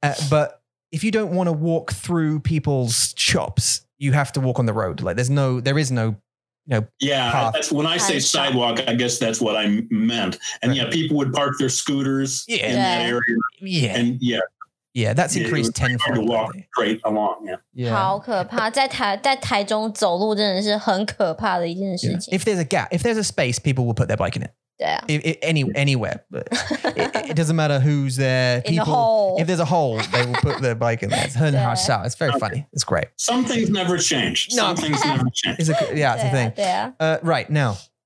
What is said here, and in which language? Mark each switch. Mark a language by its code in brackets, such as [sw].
[en] But if you don't want to walk through people's shops, you have to walk on the road. Like there is no path. That's when I say sidewalk, I guess that's what I meant. And people would park their scooters in that area. That's increased tenfold. To walk straight along. Yeah. [zh] 好可怕. 在台中走路真的是很可怕的一件事情. [en] If there's a gap, if there's a space, people will put their bike in it. Anywhere. But it doesn't matter who's there. People, in the hole. If there's a hole, they will put their bike in there. It's very funny. It's great. Some things never change. It's a thing. Right, now.